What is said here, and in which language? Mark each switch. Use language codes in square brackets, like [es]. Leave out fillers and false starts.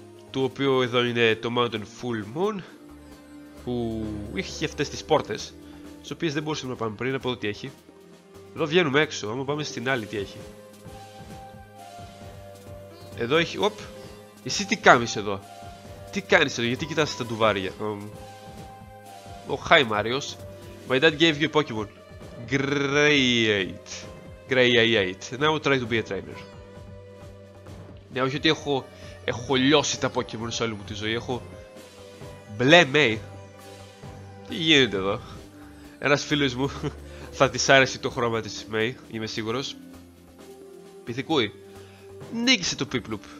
[el] Το οποίο εδώ είναι το Mountain Full Moon. Που είχε αυτές τις πόρτες, τις οποίες δεν μπορούσαμε να πάμε πριν, από εδώ τι έχει. Εδώ βγαίνουμε έξω, άμα πάμε στην άλλη τι έχει. Εδώ έχει, οπ, εσύ τι κάνεις εδώ. Τι κάνεις εδώ, γιατί κοιτάς τα ντουβάρια. [en] Oh, hi Marios. My dad gave you a Pokemon. Great. Great. Now we'll try to be a trainer. [el] Ναι, όχι ότι έχω λιώσει τα Pokemon σε όλη μου τη ζωή, έχω μπλε μέι. Τι γίνεται εδώ. Ένας φίλος μου θα της άρεσε το χρώμα της Μέι, είμαι σίγουρος. Πυθικούι. Νίκησε το Piplup.